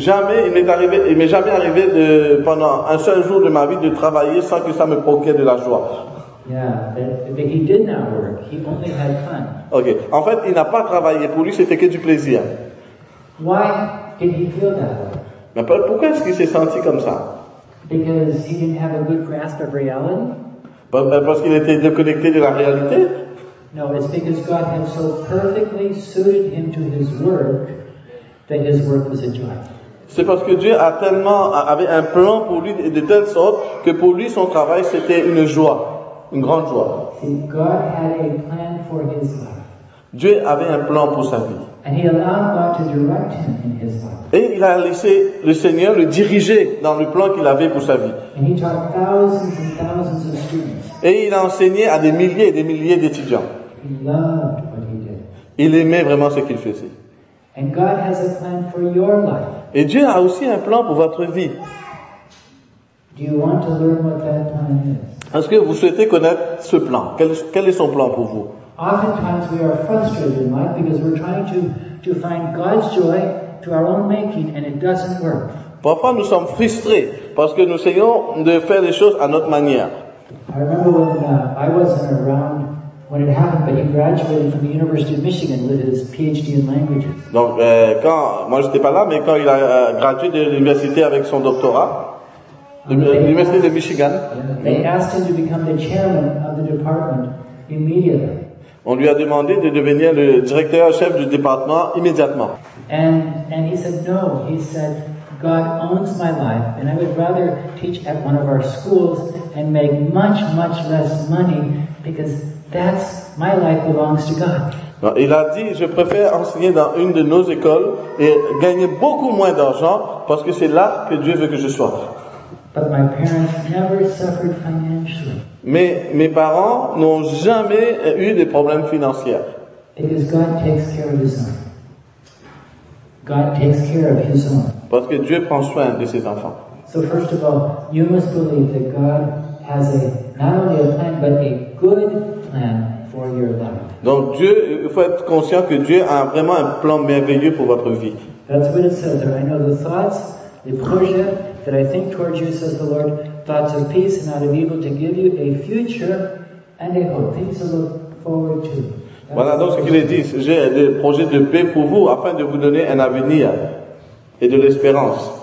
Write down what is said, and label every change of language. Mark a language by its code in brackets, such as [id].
[fr] Il m'est jamais arrivé de, pendant un seul jour de ma vie de travailler sans que ça me provoquait de la joie. [en] Yeah, but he did not work. He only had fun. [fr] Okay. En fait, il n'a pas travaillé. Pour lui, c'était que du plaisir. [en] Why did he feel that way? [fr] Mais pourquoi est-ce qu'il s'est senti comme ça? [en] Because he didn't have a good grasp of reality. [fr] Parce qu'il était déconnecté de la réalité? [en] No, it's because God had so perfectly suited him to his work. That his work was a joy. [fr] C'est parce que Dieu a tellement avait un plan pour lui de telle sorte que pour lui son travail c'était une joie, une grande joie. [en] See, God had a plan for his life. [fr] Dieu avait un plan pour sa vie. [en] And he allowed God to direct him in his life. [fr] Et il a laissé le Seigneur le diriger dans le plan qu'il avait pour sa vie. [en] And he taught thousands and thousands of students. [fr] Et il a enseigné à des milliers et des milliers d'étudiants. [en] He loved what he did. [fr] Il aimait vraiment ce qu'il faisait. [en] And God has a plan for your life. [fr] Et Dieu a aussi un plan pour votre vie. [en] Do you want to learn what that plan is? [fr] Est-ce que vous souhaitez connaître ce plan? Quel est son plan pour vous? [en] Oftentimes we are frustrated in life because we're trying to find God's joy to our own making and it doesn't work. [fr] Parfois nous sommes frustrés parce que nous essayons de faire les choses à notre manière. [en] I remember when I wasn't around. When it happened, but he graduated from the University of Michigan with his PhD in languages. [fr] Donc, quand moi j'étais pas là, mais quand il a gradué de l'université avec son doctorat, l'université de Michigan, [en] they asked him to become the chairman of the department immediately. [fr] On lui a demandé de devenir le directeur chef du département immédiatement. [en] And he said no. He said God owns my life, and I would rather teach at one of our schools and make much much less money because that's my life belongs to God. [fr] Il a dit, je préfère enseigner dans une de nos écoles et gagner beaucoup moins d'argent parce que c'est là que Dieu veut que je sois. [en] But my parents never suffered financially. [fr] Mais mes parents n'ont jamais eu de problèmes financiers. [en] Because God takes care of his own. God takes care of his own. [fr] Parce que Dieu prend soin de ses enfants. [en] So first of all, you must believe that God has a not only a plan but a good for your life. [fr] Donc Dieu, il faut être conscient que Dieu a vraiment un plan merveilleux pour votre vie. [en] That's what it says. I know the thoughts, the projects that I think towards you, says the Lord, thoughts of peace and not of evil, to give you a future and a hope, things to look forward to. [fr] Voilà donc ce qu'il est dit. J'ai des projets de paix pour vous afin de vous donner un avenir et de l'espérance.